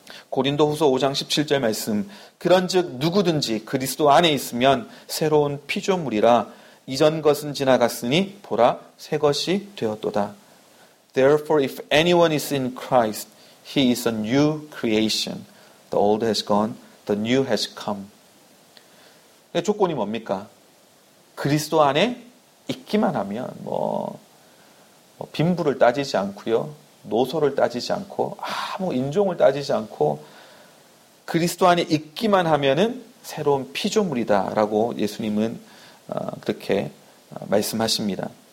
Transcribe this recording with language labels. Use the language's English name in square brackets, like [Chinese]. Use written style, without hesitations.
[Korean] 고린도 후서 5장 17절 말씀 그런즉 누구든지 그리스도 안에 있으면 새로운 피조물이라 이전 것은 지나갔으니 보라 새것이 되었도다. [English] Therefore if anyone is in Christ He is a new creation. The old has gone, the new has come. [Korean] 조건이 뭡니까? 그리스도 안에 있기만 하면 뭐 빈부를 따지지 않고요. 노소를 따지지 않고 아무 인종을 따지지 않고 그리스도 안에 있기만 하면은 새로운 피조물이다라고 예수님은 그렇게 말씀하십니다.